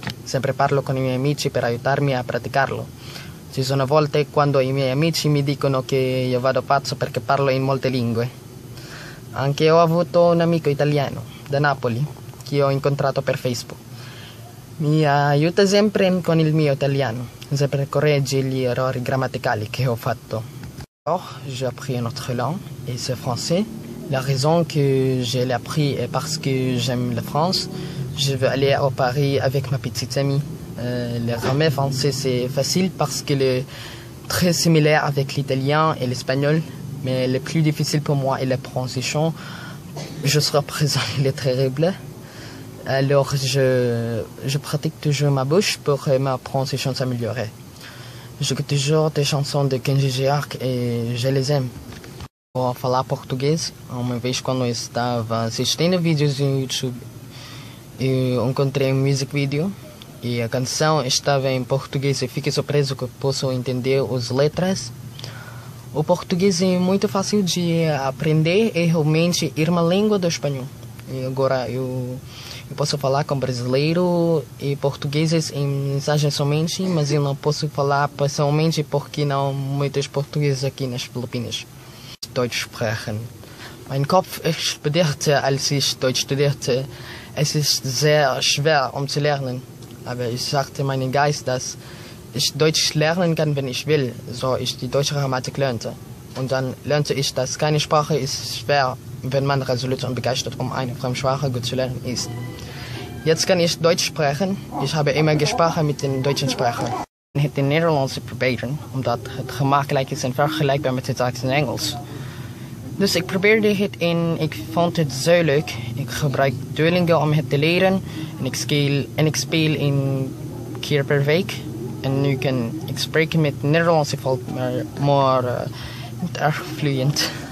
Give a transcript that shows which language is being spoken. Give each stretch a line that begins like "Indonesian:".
Italian: Sempre parlo con i miei amici per aiutarmi a praticarlo. Ci sono volte quando i miei amici mi dicono che io vado pazzo perché parlo in molte lingue. Anche ho avuto un amico italiano da Napoli che ho incontrato per Facebook. Mi aiuta sempre con il mio italiano, sempre corregge gli errori grammaticali che ho fatto.
French: Oh, j'ai appris un autre langue, et c'est français. La raison que je l'ai appris est parce que j'aime la France. Je veux aller à Paris avec ma petite amie. Le grammaire français c'est facile parce qu'il est très similaire avec l'italien et l'espagnol. Mais le plus difficile pour moi est la prononciation. Je serai présent, il est terrible. Alors je pratique toujours ma bouche pour que ma prononciation s'améliore. J'écoute toujours des chansons de Kenji Girac et je les aime.
Portuguese: Vou falar português. Uma vez quando eu estava assistindo vídeos no YouTube, eu encontrei um music video e a canção estava em português e fiquei surpreso que posso entender as letras. O português é muito fácil de aprender e realmente irmã língua do espanhol. E agora eu posso falar com brasileiro e portugueses em mensagem somente, mas eu não posso falar pessoalmente porque não há muitos portugueses aqui nas Filipinas.
German: Deutsch sprechen. Mein Kopf explodierte, als ich Deutsch studierte. Es ist sehr schwer, zu lernen. Aber ich sagte meinem Geist, dass ich Deutsch lernen kann, wenn ich will, so ich die deutsche Grammatik lernte. Und dann lernte ich, dass keine Sprache ist schwer, wenn man resolut und begeistert, eine Fremdsprache gut zu lernen ist. Jetzt kann ich Deutsch sprechen. Ich habe immer gesprochen mit den deutschen Sprechern.
Dutch: Het Nederlands proberen, omdat het gemakkelijk is en vergelijkbaar met het Duits en Engels. Dus ik probeerde het en ik vond het zo leuk. Ik gebruik Duolingo om het te leren en ik speel 1 keer per week. En nu kan ik spreken met Nederlands, ik voel me niet erg vloeiend.